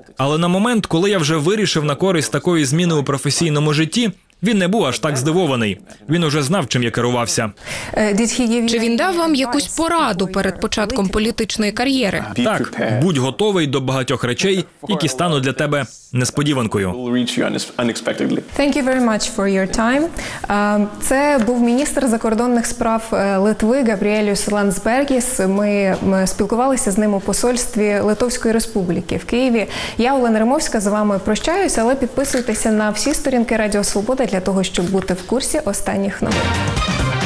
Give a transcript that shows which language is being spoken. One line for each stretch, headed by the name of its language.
Ukrainian: Але на момент, коли я вже вирішив на користь такої зміни у професійному житті, він не був аж так здивований. Він уже знав, чим я керувався. Чи він дав вам якусь пораду перед початком політичної кар'єри? Так, будь готовий до багатьох речей, які стануть для тебе несподіванкою.
English: Thank you very much for your time.
Ukrainian: Це був міністр закордонних справ Литви Габріеліус Ландсбергіс. Ми спілкувалися з ним у посольстві Литовської Республіки в Києві. Я, Олена Римовська, з вами прощаюсь, але підписуйтеся на всі сторінки Радіо Свобода для того, щоб бути в курсі останніх новин.